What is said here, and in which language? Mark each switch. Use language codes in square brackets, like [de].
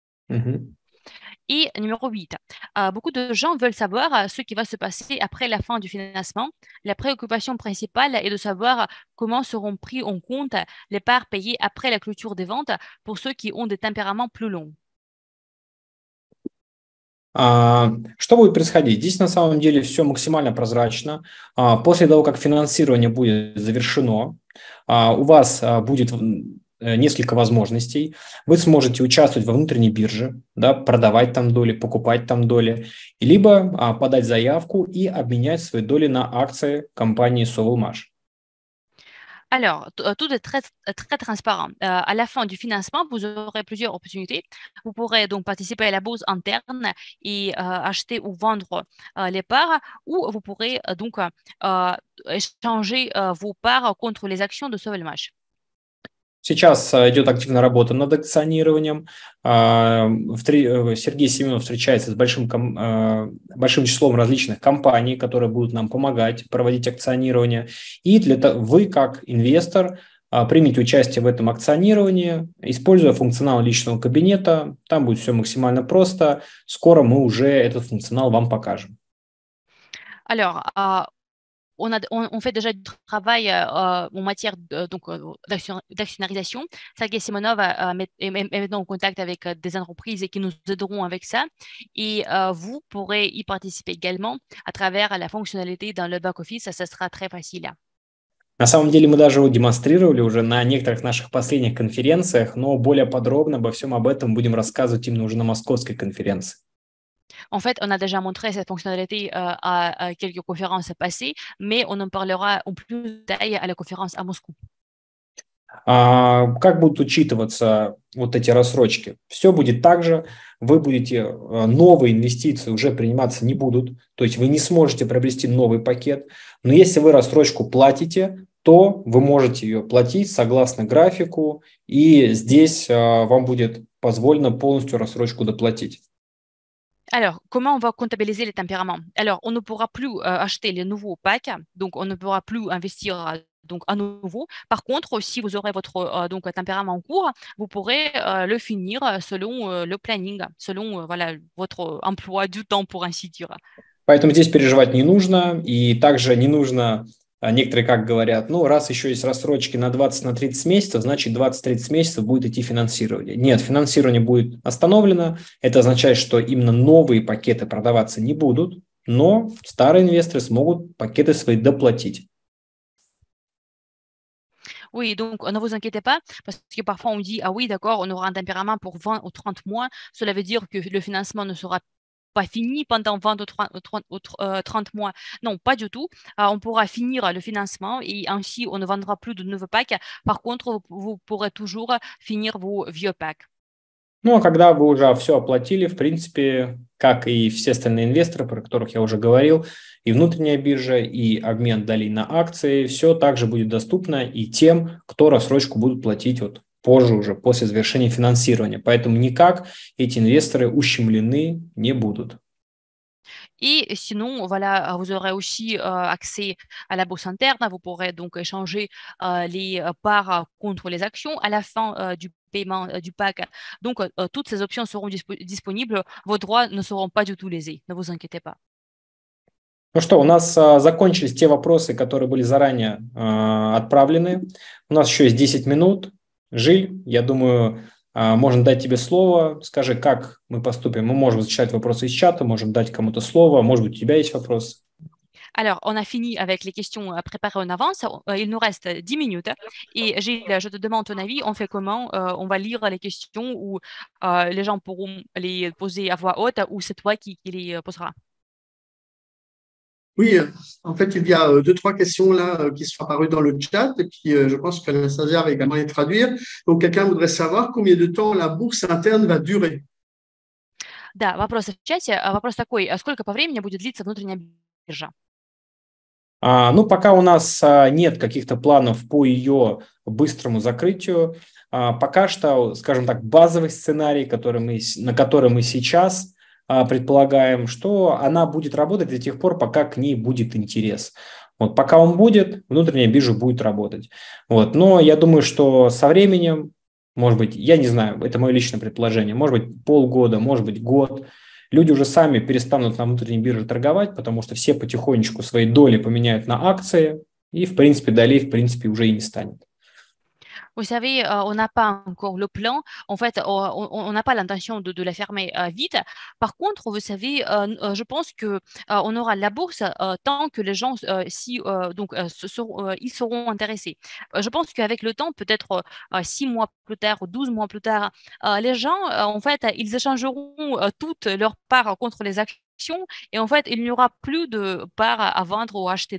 [fr] Et numéro 8, beaucoup de gens veulent savoir ce qui va se passer après la fin du financement. La préoccupation principale est de savoir comment seront pris en compte les parts payées après la clôture des ventes pour ceux qui ont des tempéraments plus longs. [ru] Что будет происходить? Здесь на самом деле все максимально прозрачно. После того, как финансирование будет завершено, у вас будет несколько возможностей. Вы сможете участвовать во внутренней бирже, да, продавать там доли, покупать там доли, либо подать заявку и обменять свои доли на акции компании Sovelmash. [fr] Alors, tout est très, très transparent. À la fin du financement, vous aurez plusieurs opportunités. Vous pourrez donc participer à la bourse interne et acheter ou vendre les parts, ou vous pourrez donc échanger vos parts contre les actions de Sovelmash. [ru] Сейчас идет активная работа над акционированием. Сергей Семенов встречается с большим числом различных компаний, которые будут нам помогать проводить акционирование. И для того, вы, как инвестор, примите участие в этом акционировании, используя функционал личного кабинета. Там будет все максимально просто. Скоро мы уже этот функционал вам покажем. [fr] Alors, on fait déjà du travail en matière d'actionnarisation. Sergei Simonov est maintenant en contact avec des entreprises qui nous aideront avec ça. Et vous pourrez y participer également à travers la fonctionnalité dans le back-office. Ça sera très facile. [ru] На самом деле мы даже его демонстрировали уже на некоторых наших последних конференциях, но более подробно обо всем об этом будем рассказывать именно уже на московской конференции. [fr] En fait, on a déjà montré cette fonctionnalité à quelques conférences passées, mais on en parlera en plus détail à la conférence à Moscou. [ru] Как будут учитываться вот эти рассрочки? Все будет так же. Вы будете новые инвестиции уже приниматься не будут, то есть вы не сможете приобрести новый пакет. Но если вы рассрочку платите, то вы можете ее платить согласно графику, и здесь вам будет позволено полностью рассрочку доплатить. [fr] Alors, comment on va comptabiliser les tempéraments? Alors, on ne pourra plus acheter les nouveaux packs, donc on ne pourra plus investir donc, à nouveau. Par contre, si vous aurez votre donc, tempérament en cours, vous pourrez le finir selon le planning, selon voilà, votre emploi du temps, pour ainsi dire. [ru] Поэтому здесь переживать не нужно, и также не нужно, некоторые как говорят, ну, раз еще есть рассрочки на 20-30 месяцев, значит, 20-30 месяцев будет идти финансирование. Нет, финансирование будет остановлено, это означает, что именно новые пакеты продаваться не будут, но старые инвесторы смогут пакеты свои доплатить. [fr] Oui, donc ne vous inquiétez pas, parce que parfois on dit, ah oui, d'accord, on aura un tempérament pour 20 ou 30 mois, cela veut dire que le financement ne sera pas fini pendant 20 ou 30 mois. Non, pas du tout. On pourra finir le financement et ainsi on ne vendra plus de nouveaux packs. Par contre, vous pourrez toujours finir vos vieux packs. [ru] Ну, а когда вы уже все оплатили, в принципе, как и все остальные инвесторы, про которых я уже говорил, и внутренняя биржа, и обмен долей на акции, все также будет доступно и тем, кто рассрочку будут платить вот позже уже, после завершения финансирования. Поэтому никак эти инвесторы ущемлены не будут. [fr] Et sinon, voilà, vous aurez aussi accès à la bourse interne. Vous pourrez donc échanger les parts contre les actions à la fin du paiement du pack. Donc, toutes ces options seront disponibles. Vos droits ne seront pas du tout lésés. Ne vous inquiétez pas. [ru] Ну что, у нас закончились те вопросы, которые были заранее отправлены. У нас еще есть 10 минут. Жиль, я думаю, можно дать тебе слово, скажи, как мы поступим. Мы можем зачитать вопросы из чата, можем дать кому-то слово, может быть, у тебя есть вопрос. [fr] Alors, on a fini avec les questions préparées en avance. Il nous reste 10 minutes. Et Gilles, je te demande ton avis. On fait comment? On va lire les questions ou les gens pourront les poser à voix haute ou c'est toi qui les posera? Oui, en fait, il y a deux, trois questions là qui sont apparues dans le chat et puis je pense que Anastasia va également les traduire. Donc, quelqu'un voudrait savoir combien de temps la bourse interne va durer. [ru] Да, вопрос в чате. Вопрос такой. Сколько по времени будет длиться внутренняя биржа? Ну, пока у нас нет каких-то планов по ее быстрому закрытию. Пока что, скажем так, базовый сценарий, на который мы сейчас предполагаем, что она будет работать до тех пор, пока к ней будет интерес. Вот, пока он будет, внутренняя биржа будет работать. Вот, но я думаю, что со временем, может быть, я не знаю, это мое личное предположение, может быть, полгода, может быть, год, люди уже сами перестанут на внутренней бирже торговать, потому что все потихонечку свои доли поменяют на акции, и, в принципе, долей, в принципе, уже и не станет. [fr] Vous savez, on n'a pas encore le plan. En fait, on n'a pas l'intention de la fermer vite. Par contre, vous savez, je pense qu'on aura la bourse tant que les gens, ils seront intéressés. Je pense qu'avec le temps, peut-être 6 mois plus tard ou 12 mois plus tard, les gens, en fait, ils échangeront toutes leurs parts contre les actions et en fait, il n'y aura plus de parts à vendre ou à acheter.